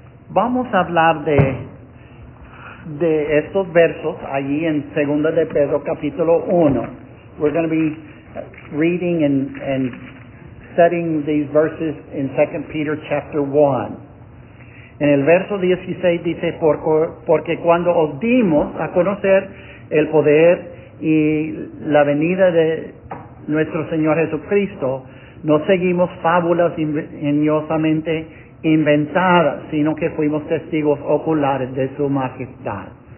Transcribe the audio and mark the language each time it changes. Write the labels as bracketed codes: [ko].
[es] Vamos a hablar de estos versos allí en 2 de Pedro capítulo 1. [en] We're going to be reading and studying these verses in 2 Peter chapter 1. [es] En el verso 16 dice, porque cuando os dimos a conocer el poder y la venida de nuestro Señor Jesucristo, no seguimos fábulas ingeniosamente inventadas, sino que fuimos testigos oculares de su majestad.